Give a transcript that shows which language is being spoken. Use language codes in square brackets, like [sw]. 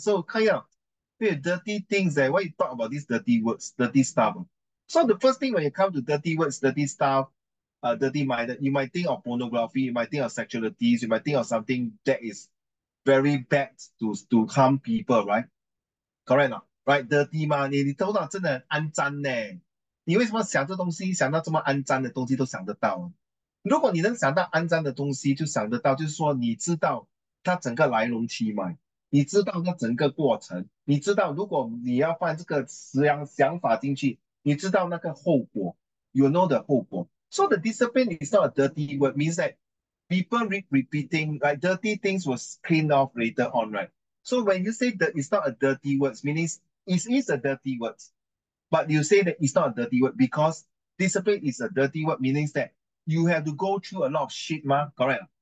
[en] So Kaya, you're dirty things. Why you talk about these dirty words, dirty stuff? So the first thing when you come to dirty words, dirty stuff, dirty minded, you might think of pornography, you might think of sexualities, you might think of something that is very bad to harm people, right? Correct not? Right, dirty [zh] 嘛, 你头脑真的很肮脏呢。你为什么想这东西，想到这么肮脏的东西都想得到？如果你能想到肮脏的东西, 就想得到, 就是说你知道 它整个来龙去脉, 你知道它整个过程, 你知道如果你要放这个想法进去, 你知道那个后果, [en] you know the [zh] 后果。 [en] So the discipline is not a dirty word, means that people keep repeating, right? Dirty things will clean off later on, right? So when you say that it's not a dirty word, meaning it is a dirty word, but you say that it's not a dirty word because discipline is a dirty word, meaning that you have to go through a lot of shit, ma. Correct?